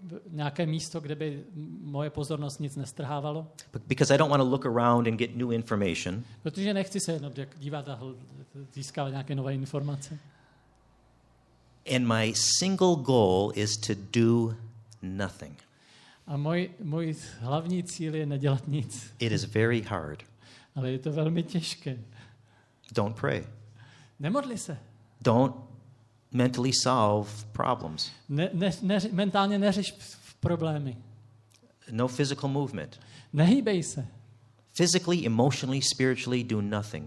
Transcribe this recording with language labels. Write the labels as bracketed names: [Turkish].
[Czech] Nějaké místo, kde by moje pozornost nic nestrhávalo. [English] Because I don't want to look around and get new information. [Czech] Protože nechci se jenom dívat a získávat nějaké nové informace. [English] And my single goal is to do nothing. [Czech] A můj hlavní cíl je nedělat nic. [English] It is very hard. [Czech] Ale je to velmi těžké. [English] Don't pray. [Czech] Nemodli se. [English] Don't mentally solve problems. [Czech] Mentálně neřeš problémy. [English] No physical movement. [Czech] Nehýbej se. [English] Physically, emotionally, spiritually do nothing.